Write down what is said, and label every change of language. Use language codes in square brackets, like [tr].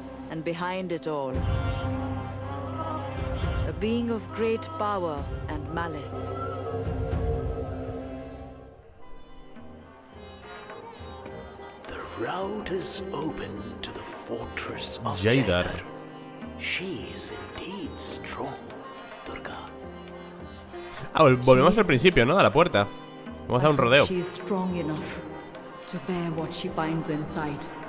[en] And behind it all, a being of great power and malice. route is open to the fortress of Jaidar. She is indeed strong, Durga. [es] Ah, volvemos al principio, ¿no? A la puerta. Vamos a dar un rodeo. [en] She is strong enough to bear what she finds inside.